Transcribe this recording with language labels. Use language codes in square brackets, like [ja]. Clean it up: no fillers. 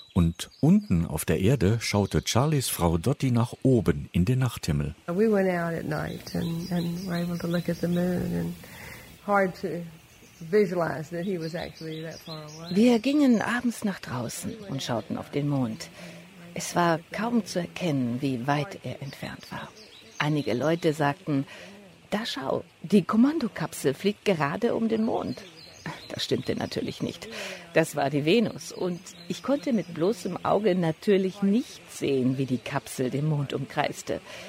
[de] Und unten auf der Erde schaute Charlies Frau Dottie nach oben in den Nachthimmel. [en] We went out at night and were able to look at the moon and hard to visualize that he was actually that far away. [de] Wir gingen abends nach draußen und schauten auf den Mond. Es war kaum zu erkennen, wie weit er entfernt war. Einige Leute sagten, da schau, die Kommandokapsel fliegt gerade um den Mond. Das das stimmte natürlich nicht. Das war die Venus. Und ich konnte mit bloßem Auge natürlich nicht sehen, wie die Kapsel den Mond umkreiste.